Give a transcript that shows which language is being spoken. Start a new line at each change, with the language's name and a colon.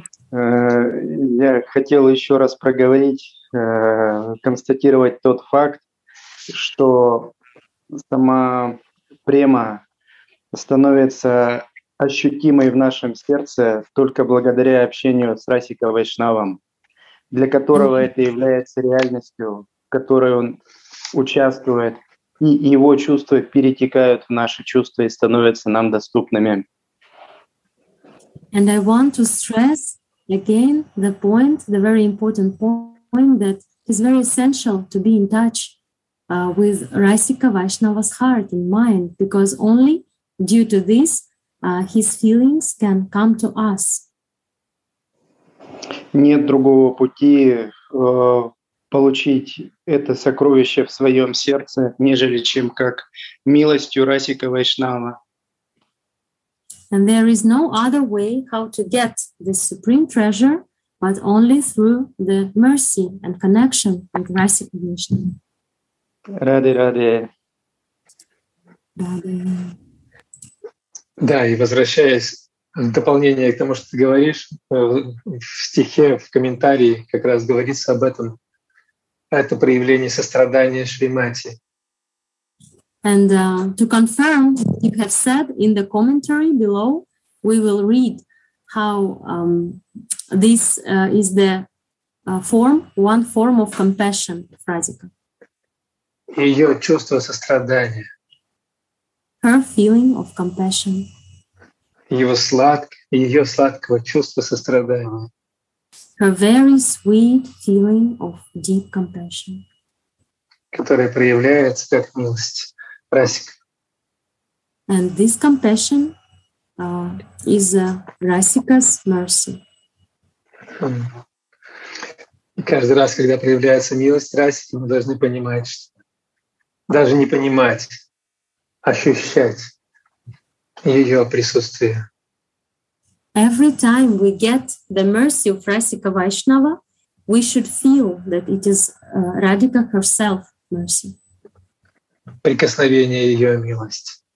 Russian: Я хотел еще раз проговорить, констатировать тот факт, что сама према становится ощутимой в нашем сердце только благодаря общению с Расика Вайшнавом, для которого это является реальностью, в которой он участвует, и его чувства перетекают в наши чувства и становятся нам доступными.
English: And I want to stress again the point, the very important point, that it's very essential to be in touch with Rasika Vaishnava's heart and mind, because only due to this his feelings can come to us.
Russian: Нет другого пути получить это сокровище в своем сердце, нежели чем как милостью Расика Вайшнава.
English: And there is no other way how to get this supreme treasure, but only through the mercy and connection with Расика Вайшнава.
Russian: Раде, раде. Да, и возвращаясь в дополнение к тому, что ты говоришь, в стихе, в комментарии как раз говорится об этом. это проявление сострадания Шримати.
English: And to confirm what you have said in the commentary below, we will read how this is the form, one form of compassion, Радика.
Russian: Ее чувство сострадания.
English: Her feeling of compassion.
Russian: Ее сладкого чувства сострадания.
English: Her very sweet feeling of deep compassion.
Russian: Которая проявляется как милость. Расика.
English: And this compassion is Расика's mercy.
Russian: И каждый раз, когда проявляется милость Расики, мы должны понимать, что даже не понимать, ощущать ее присутствие.
English: Every time we get the mercy of Расика Вайшнава, we should feel that it is Radhika herself mercy.
Russian: Прикосновение ее милости.